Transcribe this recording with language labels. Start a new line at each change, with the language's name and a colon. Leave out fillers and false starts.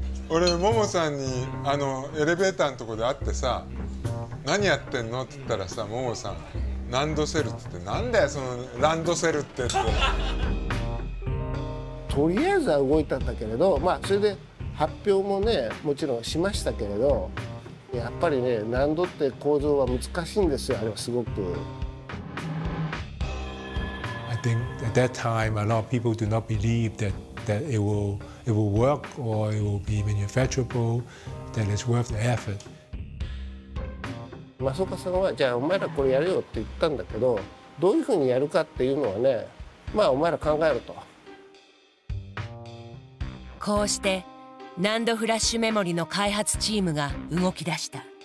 Japanese: 俺ももさんにエレベーターのとこで会ってさ、何やってんのって言ったらさ、ももさんランドセルって言って、なんだよそのランドセルってってとりあえずは動いたんだけれど、まあそれで発表もねもちろんしましたけれど、やっぱりね、難度って構造は難しいんですよ、あれはすごく。
English: I think at that time a lot of people do not believe that it will work or it will be manufacturable, that it's worth the effort.
Japanese: 増岡さんはじゃあお前らこれやれよって言ったんだけど、どういうふうにやるかっていうのはね、まあお前ら考えると。こうして難度フラッシュメモリの開発チームが動き出した。